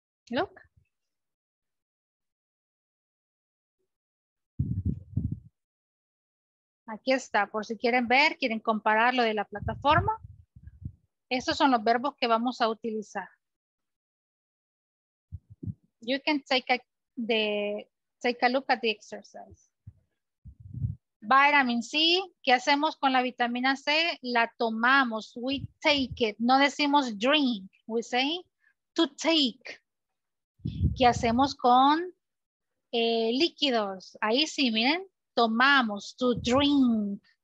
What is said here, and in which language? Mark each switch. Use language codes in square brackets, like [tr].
[en] Look. [es] Aquí está, por si quieren ver, quieren comparar lo de la plataforma. Esos son los verbos que vamos a utilizar. [en] You can take a look at the exercise. [es] Vitamin C, ¿qué hacemos con la vitamina C? La tomamos, [en] we take it. [es] No decimos [en] drink, we say to take. [es] ¿Qué hacemos con líquidos? Ahí sí, miren, tomamos, [en] to drink.